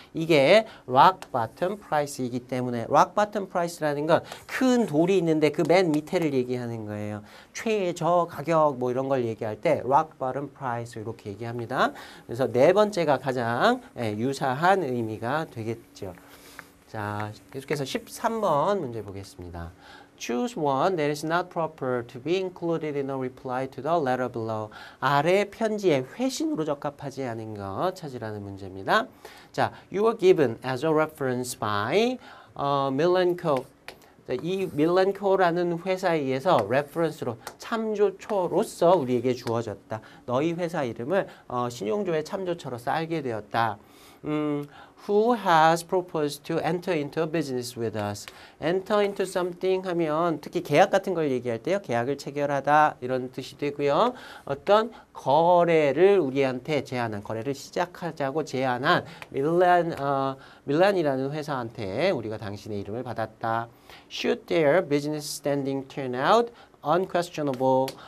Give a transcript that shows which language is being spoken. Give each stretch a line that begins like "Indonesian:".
Korean: 이게 rock bottom price이기 때문에 rock bottom price라는 건 큰 돌이 있는데 그 맨 밑에를 얘기하는 거예요. 최저 가격 뭐 이런 걸 얘기할 때 rock bottom price 이렇게 얘기합니다. 그래서 네 번째가 가장 유사한 의미가 되겠죠. 자, 계속해서 13번 문제 보겠습니다.
English: Choose one that is not proper to be included in a reply to the letter below.
Korean: 아래 편지에 회신으로 적합하지 않은 것 찾으라는 문제입니다.
English: 자, you are given as a reference by Milenko.
Korean: 이 밀렌코라는 회사에 의해서 레퍼런스로 참조처로서 우리에게 주어졌다. 너희 회사 이름을 신용조회 참조처로서 알게 되었다.
English: Who has proposed to enter into a business with us? Enter into something
Korean: 하면 특히 계약 같은 걸 얘기할 때요. 계약을 체결하다 이런 뜻이 되고요. 어떤 거래를 우리한테 제안한, 거래를 시작하자고 제안한 밀란이라는 회사한테 우리가 당신의 이름을 받았다.
English: Should their business standing turn out unquestionable?